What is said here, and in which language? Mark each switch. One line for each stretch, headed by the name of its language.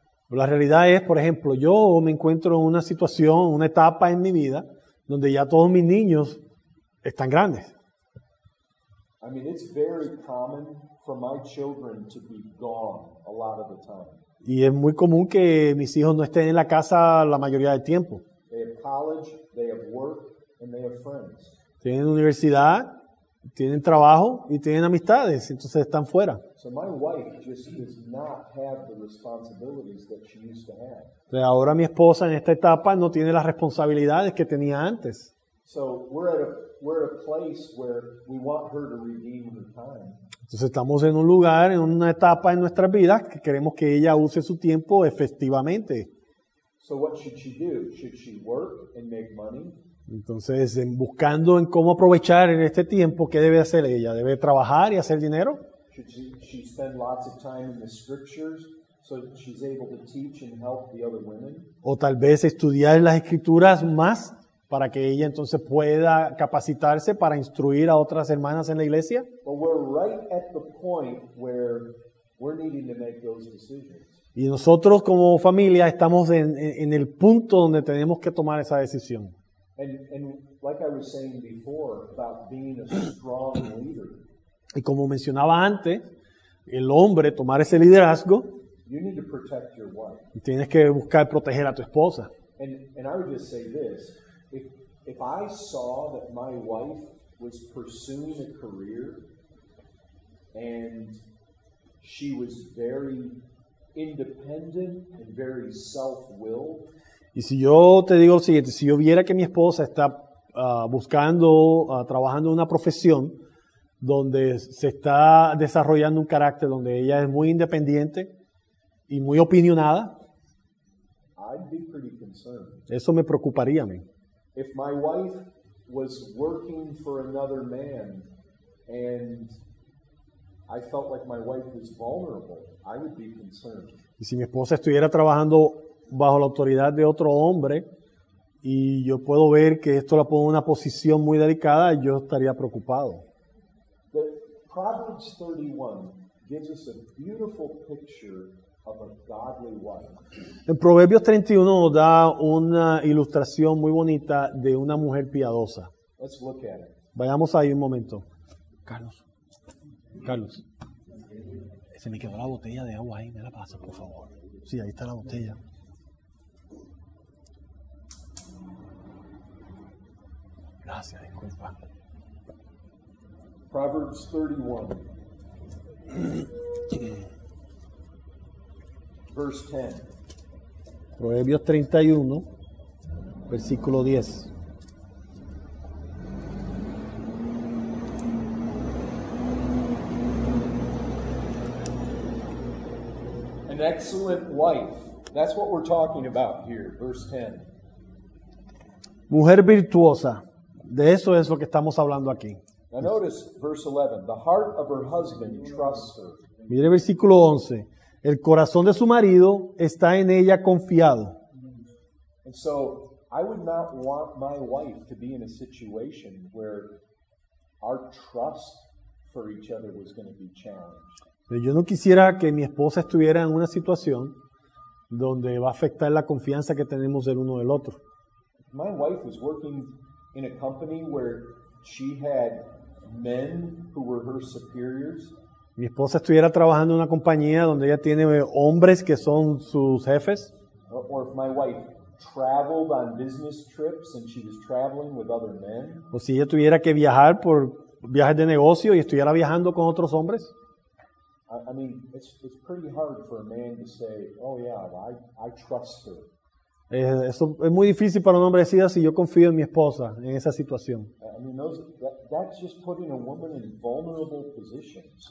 Spanish: La realidad es, por ejemplo, yo me encuentro en una situación, una etapa en mi vida donde ya todos mis niños están grandes.
English: I mean, it's very common for my children to be gone a lot of the time.
Spanish: Y es muy común que mis hijos no estén en la casa la mayoría del tiempo.
English: They have college, they have work, and they have friends.
Spanish: Tienen universidad, tienen trabajo y tienen amistades, entonces están fuera.
English: So my wife just does not have the responsibilities that she used to have.
Spanish: Pero ahora mi esposa en esta etapa no tiene las responsabilidades que tenía antes.
English: So we're at a place where we want her to redeem her time.
Spanish: Entonces estamos en un lugar, en una etapa en nuestras vidas que queremos que ella use su tiempo efectivamente.
English: So what should she do? Should she work and make money?
Spanish: Entonces, buscando en cómo aprovechar en este tiempo, ¿qué debe hacer ella? ¿Debe trabajar y hacer dinero?
English: she spend lots of time in the scriptures so that she's able to teach and help the other women?
Spanish: O tal vez estudiar las escrituras más para que ella entonces pueda capacitarse para instruir a otras hermanas en la iglesia?
English: But we're right at the point where we're needing to make those decisions.
Spanish: Y nosotros como familia estamos en el punto donde tenemos que tomar esa decisión.
English: And like I was saying before about being a strong leader.
Spanish: Y como mencionaba antes, el hombre tomar ese liderazgo,
English: you need to protect your wife.
Spanish: Y tienes que buscar proteger a tu esposa.
English: And I would just say this, if I saw that my wife was pursuing a career and she was very independent and very self-willed.
Spanish: Y si yo te digo lo siguiente, si yo viera que mi esposa está buscando, trabajando en una profesión donde se está desarrollando un carácter donde ella es muy independiente y muy opinionada,
English: I'd be pretty concerned.
Spanish: Eso me preocuparía a mí.
English: If my wife was working for another man and I felt like my wife was vulnerable, I would be concerned.
Spanish: Y si mi esposa estuviera trabajando bajo la autoridad de otro hombre y yo puedo ver que esto la pone en una posición muy delicada, yo estaría preocupado.
English: Proverbs 31 gives us a beautiful picture of a godly wife.
Spanish: En Proverbios 31 nos da una ilustración muy bonita de una mujer piadosa.
English: Let's look at it.
Spanish: Vayamos ahí un momento. Carlos. Se me quedó la botella de agua ahí, me la pasa, por favor. Sí, ahí está la botella. Gracias, disculpa.
English: Proverbs 31, verse 10.
Spanish: Proverbios 31, versículo 10.
English: An excellent wife. That's what we're talking about here, verse 10.
Spanish: Mujer virtuosa. De eso es lo que estamos hablando aquí.
English: Now notice verse 11. The heart of her husband trusts her.
Spanish: Mire el versículo 11. El corazón de su marido está en ella confiado.
English: And so, I would not want my wife to be in a situation where our trust for each other was going to be challenged.
Spanish: Pero yo no quisiera que mi esposa estuviera en una situación donde va a afectar la confianza que tenemos del uno del otro.
English: My wife was working in a company where she had men who were her superiors.
Spanish: Mi esposa estuviera trabajando en una compañía donde ella tiene hombres que son sus jefes.
English: Or if my wife traveled on business trips and she was traveling with other men.
Spanish: O si ella tuviera que viajar por viajes de negocio y estuviera viajando con otros hombres.
English: I mean, it's pretty hard for a man to say, oh yeah, I trust her.
Spanish: Eso es muy difícil para un hombre decir así, yo confío en mi esposa en esa situación.
English: I mean, that's just putting a woman in vulnerable positions.